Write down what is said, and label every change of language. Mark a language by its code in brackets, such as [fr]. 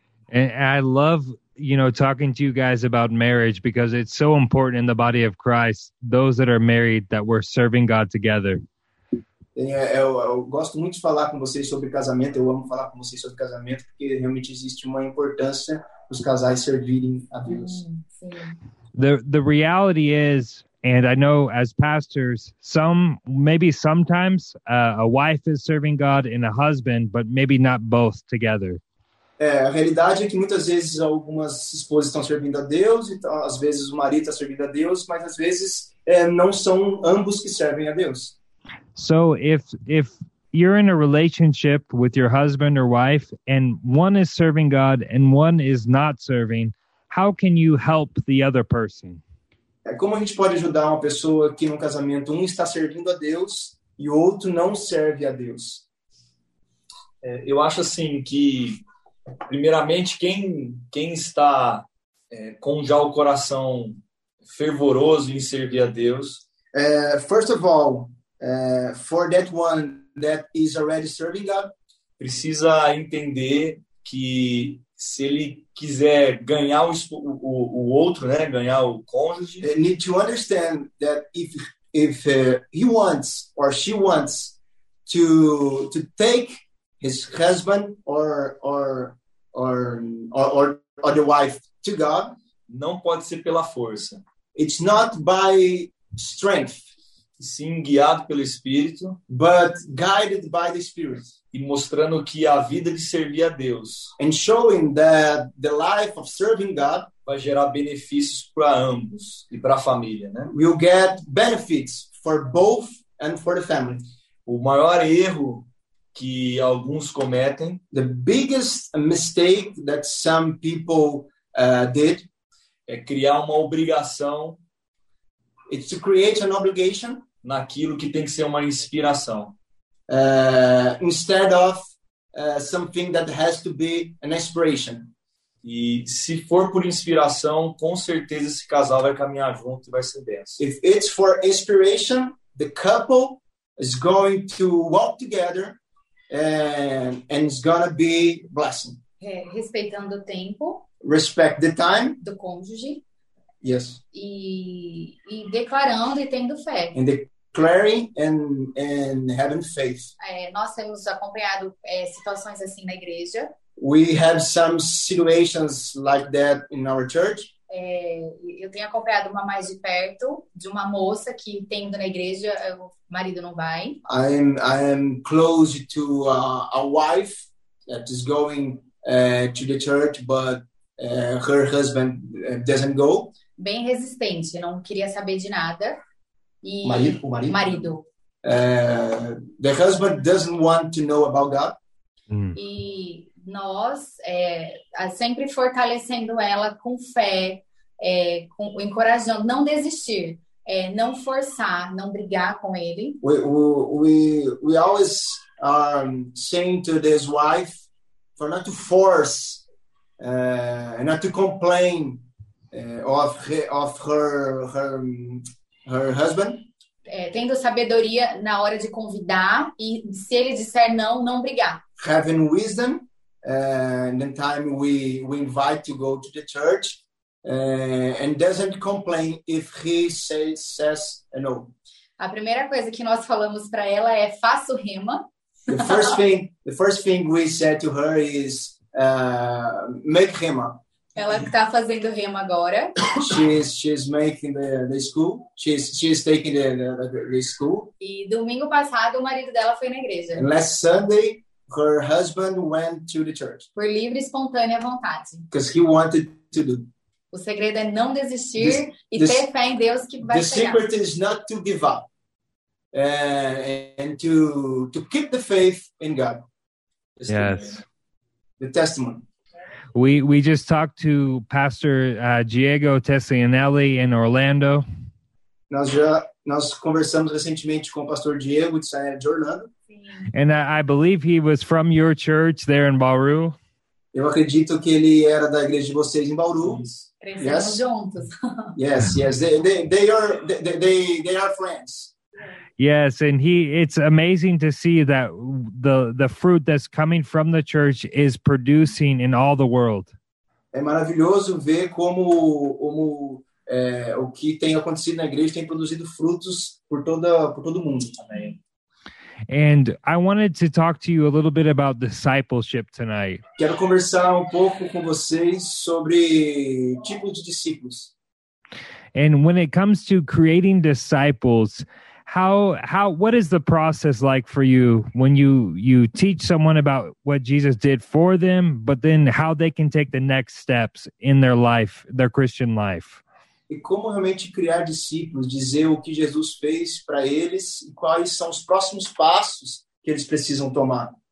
[en] And I love, you know, talking to you guys about marriage because it's so important in the body of Christ, those that are married, that we're serving God together. [pt] Eu gosto muito de falar com vocês sobre casamento, eu amo falar com vocês sobre casamento porque realmente existe uma importância os casais servirem a Deus. [en] The reality is, And I know as pastors, sometimes a wife is serving God and a husband, but maybe not both together. [pt] É, a realidade é que muitas vezes algumas esposas estão servindo a Deus, então, às vezes o marido está servindo a Deus, mas às vezes não são ambos que servem a Deus. [en] So if you're in a relationship with your husband or wife and one is serving God and one is not serving, how can you help the other person? [pt] Como a gente pode ajudar uma pessoa que no casamento um está servindo a Deus e o outro não serve a Deus? Eu acho assim que, primeiramente, quem está com já o coração fervoroso em servir a Deus. [en] First of all, for that one that is already serving God, [pt] precisa entender que se ele quiser ganhar o outro, né, ganhar o cônjuge, [en] need to understand that if he wants or she wants to take his husband or the wife to God, [pt] não pode ser pela força. [en] It's not by strength. [pt] Sim, guiado pelo Espírito, [en] but guided by the Spirit, [pt] e mostrando que a vida de servir a Deus, [en] and showing that the life of serving God, [pt] vai gerar benefícios para ambos e para a família, né? [en] Will get benefits for both and for the family. [pt] O maior erro que alguns cometem, [en] the biggest mistake that some people did, [pt] é criar uma obrigação. [en] It's to create an obligation [pt] naquilo que tem que ser uma inspiração. [en] Instead of something that has to be an inspiration. [pt] E se for por inspiração, com certeza esse casal vai caminhar junto e vai ser bênção. [en] If it's for inspiration, the couple is going to walk together and it's going to be blessing. [pt] Respeitando o tempo. [en] Respect the time. [pt] Do cônjuge. [en] Yes. [pt] E declarando e tendo fé. [en] And declaring and having faith. [pt] Nós temos acompanhado situações assim na igreja. [en] We have some situations like that in our church. [pt] Eu tenho acompanhado uma mais de perto de uma moça que tendo na igreja o marido não vai. I am close to a wife that is going to the church, but her husband doesn't go. Bem resistente, não queria saber de nada. E o marido. [en] The husband doesn't want to know about God. [pt] E nós sempre fortalecendo ela com fé, encorajando, não desistir, não forçar, não brigar com ele. [en] We always saying to this wife for not to force and not to complain of her husband. [pt] Tendo sabedoria na hora de convidar e se ele disser não, não brigar. [en] Having wisdom and in time we invite to go to the church and doesn't complain if he says no. [pt] A primeira coisa que nós falamos para ela é faça o rema. [en] The first thing we said to her is make rema. [pt] Ela está fazendo rema agora. [en] She's making the school. She's taking the school. [pt] E domingo passado o marido dela foi na igreja. [en] And last Sunday, her husband went to the church. [pt] Por livre e espontânea vontade. [en] Because he wanted to do. [pt] O segredo é não desistir e ter fé em Deus que vai chegar. [en] The secret is not to give up and to keep the faith in God. Yes. The testimony. We just talked to Pastor Diego Tessianelli in Orlando. [pt] Nós conversamos recentemente com o Pastor Diego de Orlando. [en] And I believe he was from your church there in Bauru. [pt] Eu acredito que ele era da igreja de vocês em Bauru. Crescemos [en] yes. [pt] Juntos. [en] Yes. They are friends. Yes, and it's amazing to see that the fruit that's coming from the church is producing in all the world. [pt] É maravilhoso ver como o que tem acontecido na igreja tem produzido frutos por todo mundo. Amém. [en] And I wanted to talk to you a little bit about discipleship tonight. [pt] Quero conversar um pouco com vocês sobre tipos de discípulos. [en] And when it comes to creating disciples, what is the process like for you when you teach someone about what Jesus did for them, but then how they can take the next steps in their life, their Christian life? [pt] E como realmente criar discípulos, dizer o que Jesus fez para eles e quais são os próximos passos que eles precisam tomar?